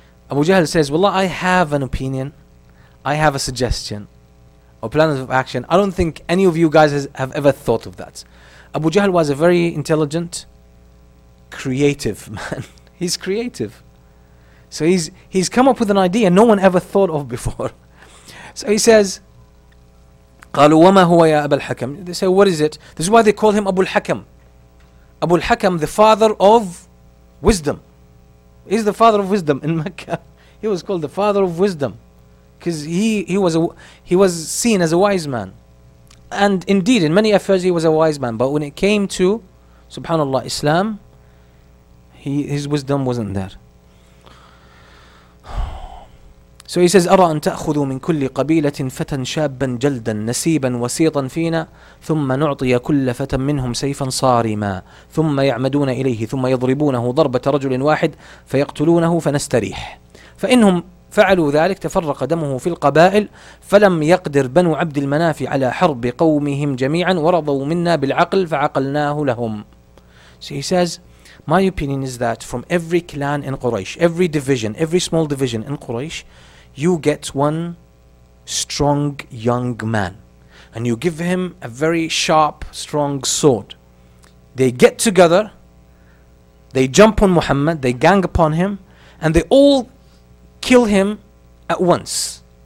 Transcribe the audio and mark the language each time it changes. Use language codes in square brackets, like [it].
[en] Abu Jahl says, Wallah, I have an opinion. I have a suggestion, a plan of action. I don't think any of you guys have ever thought of that. Abu Jahl was a very intelligent, creative man. He's creative. So he's come up with an idea no one ever thought of before. So he says, [ar] قَالُوا وَمَا هُوَ يَا أَبَا الْحَكَمِ. [en] They say, what is it? This is why they call him Abu al-Hakam. Abu al-Hakam, the father of wisdom. He's the father of wisdom in Mecca. He was called the father of wisdom. Because he was seen as a wise man. And indeed, in many affairs, he was a wise man. But when it came to, subhanAllah, Islam, his wisdom wasn't there. So he says, [ar] أَرَى أَن تَأْخُذُوا مِن كُلِّ قَبِيلَةٍ فَتًا شَابًا جَلْدًا نَسِيبًا وَسِيطًا فِينَا ثُمَّ نُعْطِيَ كُلَّ فَتًا مِّنْهُمْ سَيْفًا صَارِمًا ثُمَّ يَعْمَدُونَ إِلَيْهِ ثُمَّ يَضْرِبُونَهُ ضَرْبَةَ رَجُلٍ وَاحِدٍ فَيَقْتُلُونَهُ فَنَسْتَرِيحُ فَإِنَّهُمْ فعلوا ذلك تفرق دمه في القبائل فلم يقدر بنو عبد المناف على حرب قومهم جميعا ورضوا منا بالعقل فعقلناه لهم. [en] So he says, my opinion is that from every clan in Quraysh, every division, every small division in Quraysh, you get one strong young man and you give him a very sharp, strong sword. They get together, they jump on Muhammad, they gang upon him, and they all kill him at once.